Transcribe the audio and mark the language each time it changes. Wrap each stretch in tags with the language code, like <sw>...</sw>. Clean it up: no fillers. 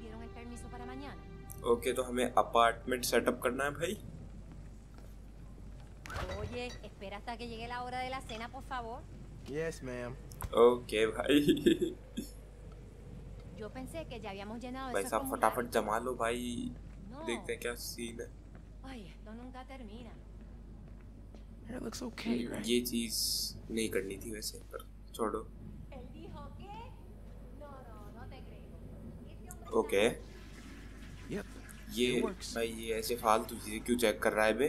<hi>Okay, तो हमें apartment setup करना है भाई।</hi> <es>ओए espera hasta que llegue la hora de la cena, por favor.</es> <en>Yes, ma'am.</en> <hi>Okay भाई।</hi> <es>Yo pensé que ya habíamos llenado eso.</es> <hi>भाई साहब फटाफट जमा लो भाई। देखते हैं क्या सीन है।</hi> <es>Ay, no nunca termina.</es> <en>It looks okay, right?</en> <hi>ये चीज नहीं करनी थी वैसे, पर छोड़ो।</hi> <es>Él dijo que no, no, no te creo.</es> <hi>Okay. ये भाई ये ऐसे फालतू चीजें क्यों चेक कर रहा है बे?</hi>